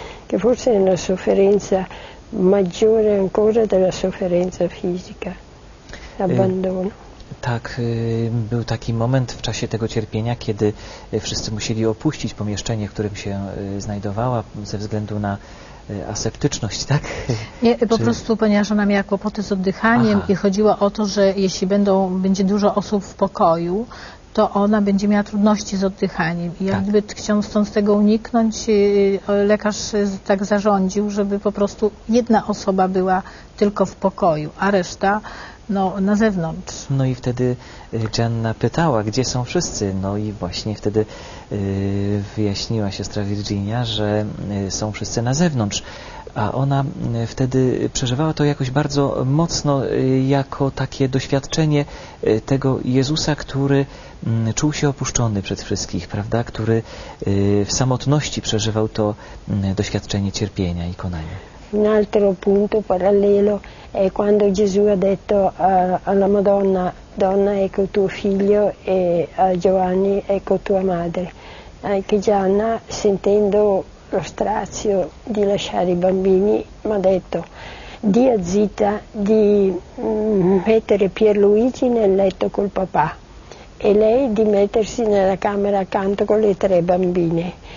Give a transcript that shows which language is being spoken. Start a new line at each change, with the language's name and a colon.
Italian: Che forse è una sofferenza maggiore ancora della sofferenza fisica, l'abbandono.
Polish: Tak, był taki moment w czasie tego cierpienia, kiedy wszyscy musieli opuścić pomieszczenie, w którym się znajdowała ze względu na aseptyczność, tak? Nie, po prostu, ponieważ ona miała kłopoty z oddychaniem. Aha. I chodziło o to, że jeśli będzie dużo osób w pokoju, to ona będzie miała trudności z oddychaniem. I jakby chcąc tego uniknąć, lekarz tak zarządził, żeby po prostu jedna osoba była tylko w pokoju, a reszta na zewnątrz. No i wtedy Janna pytała, gdzie są wszyscy? No i właśnie wtedy wyjaśniła siostra Virginia, że są wszyscy na zewnątrz. A ona wtedy przeżywała to jakoś bardzo mocno, jako takie doświadczenie tego Jezusa, który czuł się opuszczony przez wszystkich, prawda? Który w samotności przeżywał to doświadczenie cierpienia i konania.
Italian: Un altro punto parallelo è quando Gesù ha detto alla Madonna, donna ecco tuo figlio e a Giovanni ecco tua madre. Anche Gianna, sentendo lo strazio di lasciare i bambini, mi ha detto di a zitta di mettere Pierluigi nel letto col papà e lei di mettersi nella camera accanto con le tre bambine.